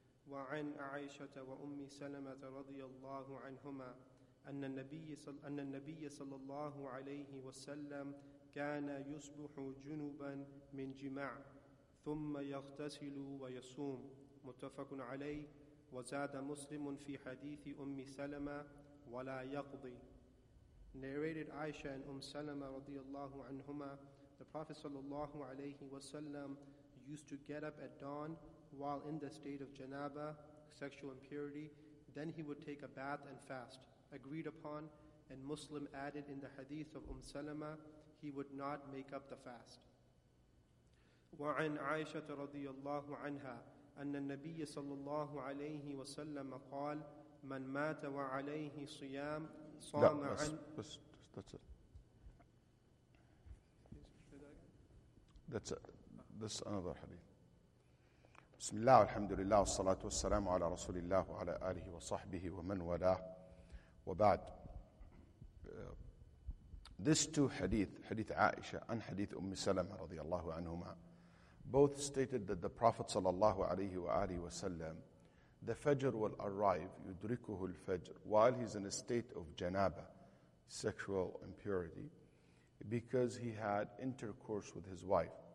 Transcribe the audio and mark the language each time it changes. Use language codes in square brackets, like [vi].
[ar] وعن عائشة وأم سلمة رضي الله عنهما أن النبي صلى الله عليه وسلم كان يصبح جنبا من جماع ثم يغتسل ويصوم متفق عليه وزاد مسلم في حديث أم سلمة ولا يقضي. [en] Narrated Aisha and Umm Salama رضي الله عنهما, the Prophet صلى الله عليه وسلم used to get up at dawn while in the state of janaba, sexual impurity, then he would take a bath and fast, agreed upon, and Muslim added in the hadith of Salama, he would not make up the fast. [ar] وَعَنْ عَيْشَةَ رَضِيَ اللَّهُ عَنْهَا أَنَّ النَّبِيَّ صَلَّى اللَّهُ عَلَيْهِ وَسَلَّمَ قَالْ مَنْ مَاتَ وَعَلَيْهِ صِيَامْ صَامَ عَنْ... [en] That's it. That's another hadith. [ar] بسم الله والحمد لله والصلاة والسلام على رسول الله وعلى آله وصحبه ومن والاه وبعد. [en] These two hadith, hadith Aisha and hadith Umm Salama رضي الله عنهما, both stated that the Prophet صلى الله عليه وآله وسلم, the fajr will arrive, [ar] يدركه الفجر, [en] while he's in a state of janaba, sexual impurity, because he had intercourse with his wife.